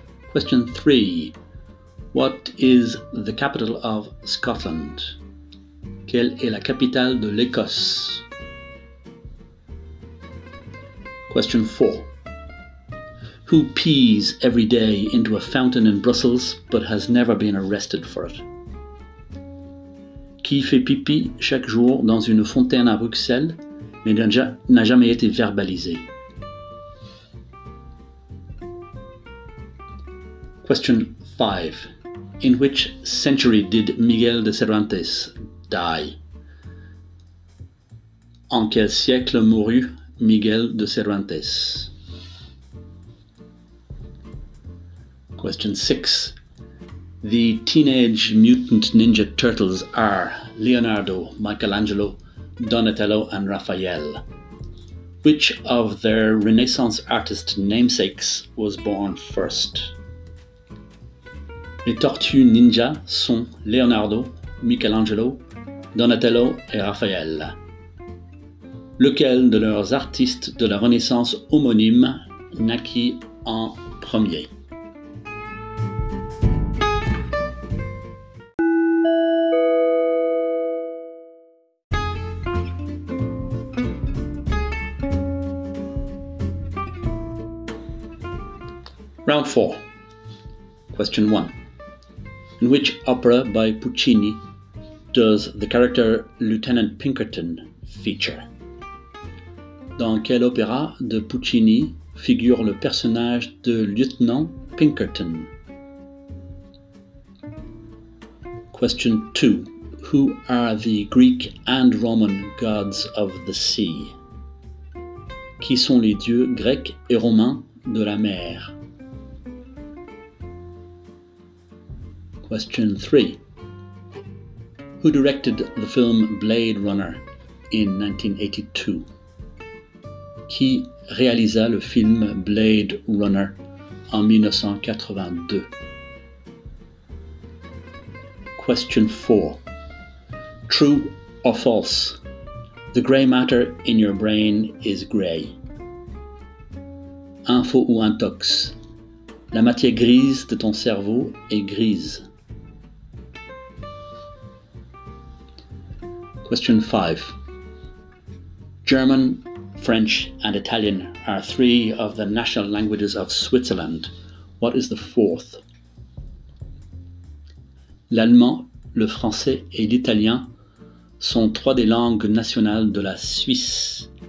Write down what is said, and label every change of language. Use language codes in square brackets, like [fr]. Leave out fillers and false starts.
[en] Question 3. What is the capital of Scotland? [fr] Quelle est la capitale de l'Écosse? [en] Question 4. Who pees every day into a fountain in Brussels but has never been arrested for it? [fr] Qui fait pipi chaque jour dans une fontaine à Bruxelles, mais n'a jamais été verbalisé. [en] Question 5. In which century did Miguel de Cervantes die? [fr] En quel siècle mourut Miguel de Cervantes? [en] Question 6. The Teenage Mutant Ninja Turtles are Leonardo, Michelangelo, Donatello and Raphael. Which of their Renaissance artist namesakes was born first? [fr] Les Tortues Ninja sont Leonardo, Michelangelo, Donatello et Raphaël. Lequel de leurs artistes de la Renaissance homonyme naquit en premier? [en] Round 4. Question 1. In which opera by Puccini does the character Lieutenant Pinkerton feature? [fr] Dans quel opéra de Puccini figure le personnage de Lieutenant Pinkerton? [en] Question 2. Who are the Greek and Roman gods of the sea? [fr] Qui sont les dieux grecs et romains de la mer? [en] Question 3. Who directed the film Blade Runner in 1982? [fr] Qui réalisa le film Blade Runner en 1982? [en] Question 4. True or false? The grey matter in your brain is grey. [fr] Info ou intox? La matière grise de ton cerveau est grise. [en] Question 5. German, French and Italian are three of the national languages of Switzerland. What is the fourth? [fr] L'allemand, le français et l'italien sont trois des langues nationales de la Suisse.